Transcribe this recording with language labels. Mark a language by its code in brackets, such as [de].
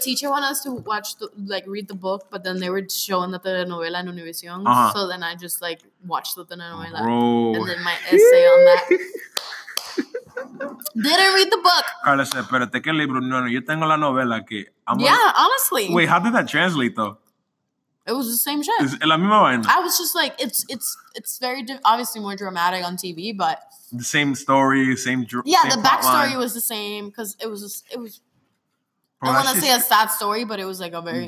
[en] teacher wanted us to watch, read the book, but then they were showing the telenovela en Univision. Uh-huh. So then I just, like, watched the telenovela. Bro. And then my essay on that. Didn't read the book. Carla said, [es] espérate, ¿qué libro? No, yo tengo la novela que... [en] Honestly. Wait, how did that translate, though? It was the same shit. [es] Es la misma vaina. [en] I was just like, it's very, obviously more dramatic on TV, but... The same story, same... the backstory was the same, because it was... Bro, I want to say a sad story, but it was like a very...